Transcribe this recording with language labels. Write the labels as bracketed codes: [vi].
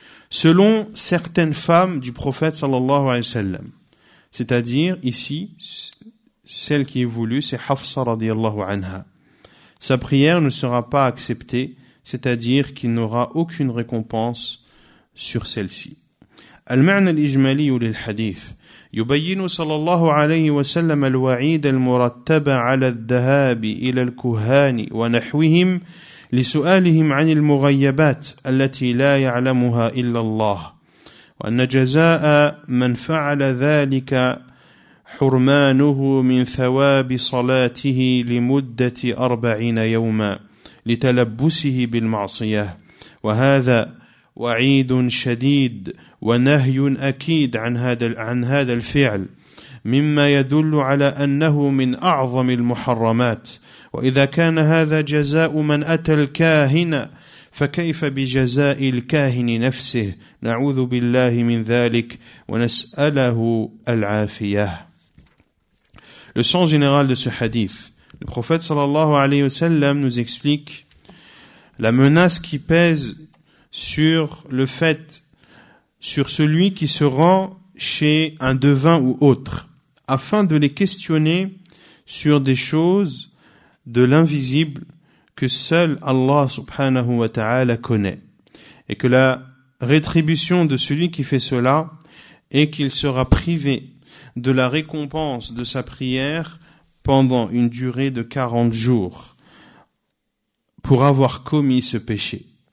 [fr] Selon certaines femmes du prophète sallallahu alayhi wa sallam, c'est-à-dire ici, celle qui est voulue, c'est Hafsa radiallahu anha. Sa prière ne sera pas acceptée, c'est-à-dire qu'il n'aura aucune récompense sur celle-ci. [ar] المعنى الإجمالي للحديث يبين صلى الله عليه وسلم الوعيد المرتب على الذهاب إلى الكهان ونحوهم لسؤالهم عن المغيبات التي لا يعلمها إلا الله وأن جزاء من فعل ذلك حرمانه من ثواب صلاته لمدة 40 يوما لتلبسه بالمعصية وهذا وعيد شديد ونهي أكيد عن هذا الفعل مما يدل على أنه من أعظم المحرمات وإذا كان هذا جزاء من أتى الكاهن فكيف بجزاء الكاهن نفسه نعوذ بالله من ذلك ونسأله العافية. [fr] Le sens général de ce hadith, le prophète sallallahu alayhi wa sallam nous explique la menace qui pèse sur celui qui se rend chez un devin ou autre, afin de les questionner sur des choses de l'invisible que seul Allah subhanahu wa ta'ala connaît, et que la rétribution de celui qui fait cela est qu'il sera privé de la récompense de sa prière pendant une durée de 40 jours pour avoir commis ce péché.